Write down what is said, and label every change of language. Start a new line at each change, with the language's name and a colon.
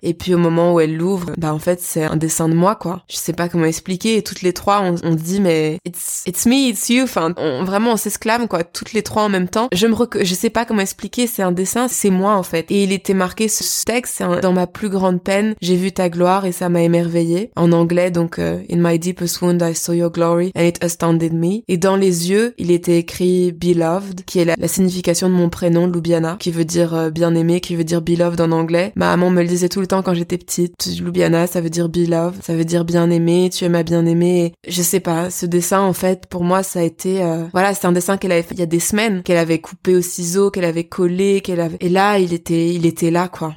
French: Et puis au moment où elle l'ouvre, bah en fait, c'est un dessin de moi, quoi. Je sais pas comment expliquer. Et toutes les trois, on se dit, mais
English: it's me, it's you.
French: Enfin, on s'exclame, quoi. Toutes les trois en même temps. Je sais pas comment expliquer. C'est un dessin, c'est moi, en fait. Et il était marqué, ce texte, dans ma plus grande peine, j'ai vu ta gloire et ça m'a émerveillée. En anglais, donc,
English: in my deepest wound, I saw your glory and it astounded me.
French: Et dans les yeux, il était écrit beloved, qui est la signification de mon prénom, Lubiana, qui veut dire bien-aimée, qui veut dire beloved en anglais. Ma maman me le disait tout le temps quand j'étais petite. Lubiana, ça veut dire beloved, ça veut dire bien-aimée, tu es ma bien-aimée. Je sais pas, ce dessin, en fait, pour moi, ça a été, voilà, c'est un dessin qu'elle avait fait il y a des semaines, qu'elle avait coupé au ciseau, qu'elle avait collé, et là, il était là, quoi.